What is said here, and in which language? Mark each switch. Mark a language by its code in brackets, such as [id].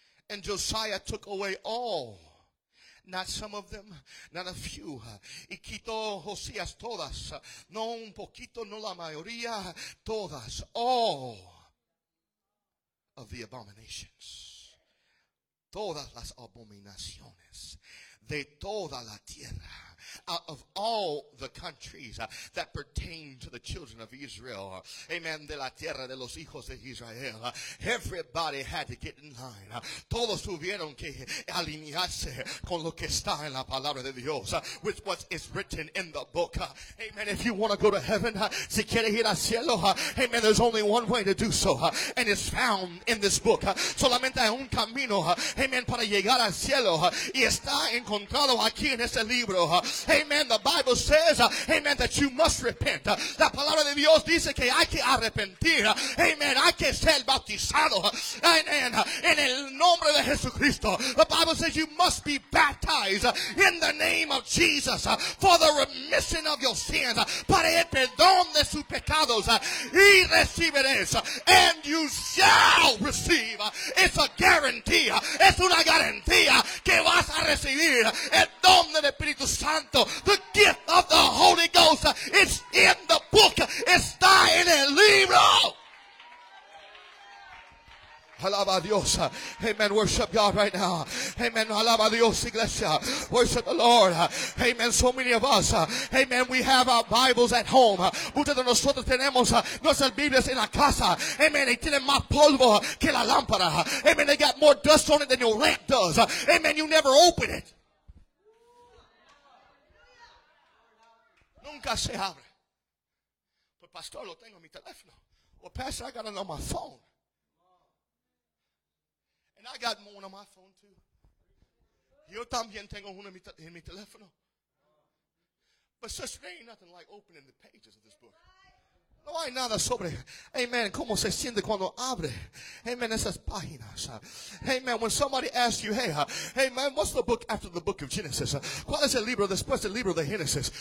[en] And Josiah took away all, not some of them, not a few. [es] Y quitó Josías todas. No un poquito, no la mayoría. Todas. [en] All of the abominations. [es] Todas las abominaciones de toda la tierra. [en] Out of all the countries that pertain to the children of Israel. Amen. [es] De la tierra de los hijos de Israel. [en] Everybody had to get in line. [es] Todos tuvieron que alinearse con lo que está en la palabra de Dios. [en] With what is written in the book. Amen. If you want to go to heaven, [es] si quieres ir al cielo, [en] amen. There's only one way to do so. And it's found in this book. [es] Solamente hay un camino, amen, para llegar al cielo. Y está encontrado aquí en este libro. Amen. [en] The Bible says, amen, that you must repent. [es] La palabra de Dios dice que hay que arrepentir. Amen. Hay que ser bautizado. Amen. En el nombre de Jesucristo. [en] The Bible says you must be baptized in the name of Jesus for the remission of your sins. [es] Para el perdón de sus pecados. Y recibiréis. [en] And you shall receive. It's a guarantee. [es] Es una garantía que vas a recibir el don del Espíritu Santo. [en] The gift of the Holy Ghost is in the book. [es] Está en el libro. Alaba Dios. [en] Amen. Worship God right now. Amen. [es] Alaba Dios, iglesia. [en] Worship the Lord. Amen. So many of us. Amen. We have our Bibles at home. [es] Muchos de nosotros tenemos nuestras Biblias en la casa. Amen. [en] They [es] tienen más polvo que la lámpara. Amen. [en] They got more dust on it than your lamp does. Amen. You never open it. [es] Nunca se abre. Pues pastor, lo tengo en mi teléfono. [en] Well, pastor, I got it on my phone. And I got one on my phone too. [es] Yo también tengo uno en mi teléfono. [en] But sir, there ain't nothing like opening the pages of this book. [es] No hay nada sobre, amen, cómo se siente cuando abre, amen, esas páginas. [en] Amen, when somebody asks you, hey, hey man, what's the book after the book of Genesis? [es] ¿Cuál es el libro después del libro de Genesis?